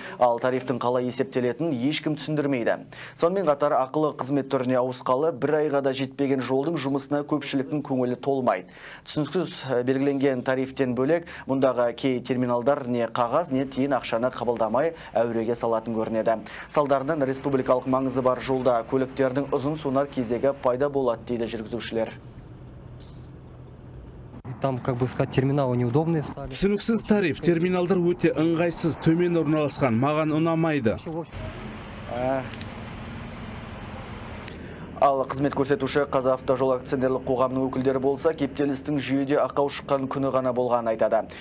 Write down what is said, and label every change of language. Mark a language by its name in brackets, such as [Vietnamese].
[Kazakh] Ал тарифтің қалай есептелетінін ешкім түсіндірмейді. Сонымен қатар ақылы қызмет түріне ауысқалы бір айға да жетпеген жолдың жұмысына көпшіліктің көңілі толмайды. Түсініксіз белгіленген тарифтен бөлек, мұндағы кей терминалдар не қағаз, не тиын ақшаны қабылдамай әуреге салатын көрінеді. Салдарынан республикалық маңызы бар жолда көліктердің ұзын сонар кезегі пайда болады дейді жүргізушілер. [Russian] Там, как бы сказать, терминал неудобный. [Kazakh] Түсініксіз тариф, терминалдар өте ыңғайсыз, төмен орналасқан, маған ұнамайды. Ал қызмет көрсетуші Қазавтожол акционерлік қоғамының өкілдері болса, кептелістің жүйеде ақау шыққан күні ғана болған айтады.